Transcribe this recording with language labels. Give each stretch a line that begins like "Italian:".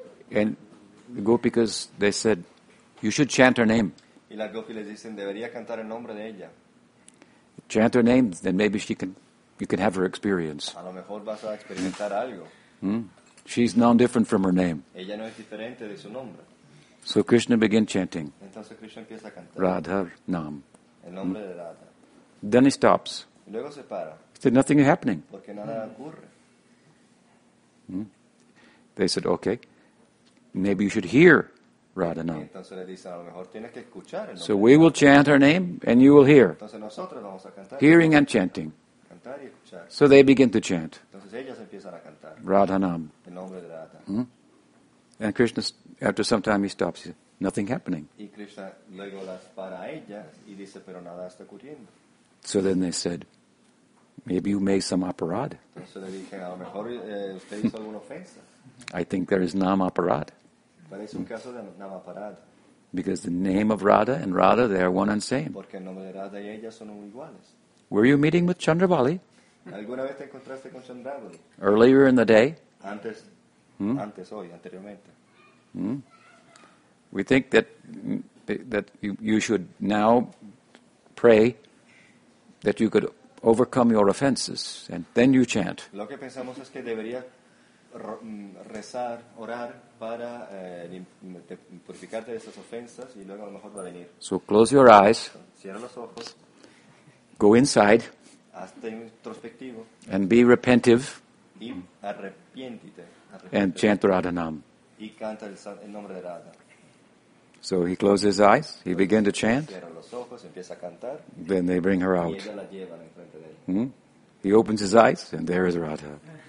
English: And the Gopikas, they said, you should chant her name.
Spanish: Y las Gopis les dicen, debería cantar el nombre de ella.
English: Chant her name, then maybe you can have her experience.
Spanish: A lo mejor vas a experimentar algo.
English: She's non different from her name.
Spanish: Ella no es diferente de su nombre.
English: So Krishna began chanting.
Spanish: Entonces Krishna empieza a cantar.
English: Radha Nam.
Spanish: El nombre de Radha.
English: Then he stops.
Spanish: Y luego se para.
English: He said, nothing is happening.
Spanish: Porque nada ocurre.
English: They said, okay, maybe you should hear Radha Nam.
Spanish: Entonces le dicen, a lo mejor tienes que escuchar el nombre.
English: We will chant her name and you will hear.
Spanish: Entonces nosotros vamos a cantar.
English: Hearing and chanting.
Spanish: Cantar y escuchar.
English: So they begin to chant.
Spanish: Entonces ellas empiezan a cantar.
English: Radha Nam.
Spanish: El nombre de Radha.
English: And Krishna, after some time, he stops. He says, nothing happening.
Spanish: Y Krishna luego las para a ellas y dice, pero nada está ocurriendo.
English: So then they said, maybe you made some aparad.
Spanish: Entonces le dije, a lo mejor usted hizo alguna ofensa.
English: I think there is nama aparad.
Spanish: Parece un caso de nama aparad.
English: Because the name of Radha and Radha, they are one and same.
Spanish: Porque el nombre de Radha y ella son iguales.
English: Were you meeting with Chandravali?
Spanish: ¿Alguna vez te encontraste con Chandravali?
English: Earlier in the day?
Spanish: Antes, antes hoy, anteriormente.
English: We think that you should now pray that you could overcome your offenses and then you chant.
Spanish: Lo que pensamos es que debería rezar, orar para purificarte de esas ofensas y luego a lo mejor va a venir.
English: So close your eyes.
Spanish: Cierra los ojos.
English: Go inside.
Spanish: Hazte introspectivo.
English: And be repentive.
Spanish: Y arrepiéntete.
English: And chant Radha Nam.
Spanish: Y canta el nombre de Radha.
English: So he closed his eyes. He began to chant.
Spanish: Cierra los ojos, empieza a cantar.
English: Then they bring her out.
Spanish: Y ella la llevan en frente de él.
English: He opens his eyes, and there is Radha.